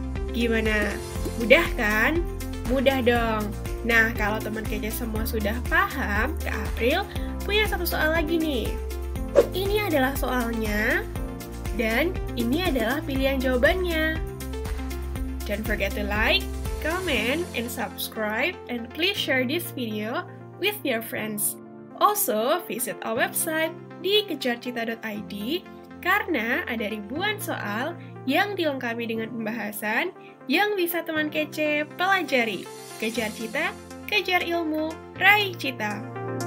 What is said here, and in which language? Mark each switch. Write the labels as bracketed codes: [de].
[id] Gimana? Mudah kan? Mudah dong. Nah, kalau teman kece semua sudah paham, Kak April punya satu soal lagi nih. Ini adalah soalnya, dan ini adalah pilihan jawabannya. [en] Don't forget to like, comment, and subscribe, and please share this video with your friends. Also, visit our website [id] di kejarcita.id karena ada ribuan soal yang dilengkapi dengan pembahasan yang bisa teman kece pelajari. Kejar cita, kejar ilmu, raih cita!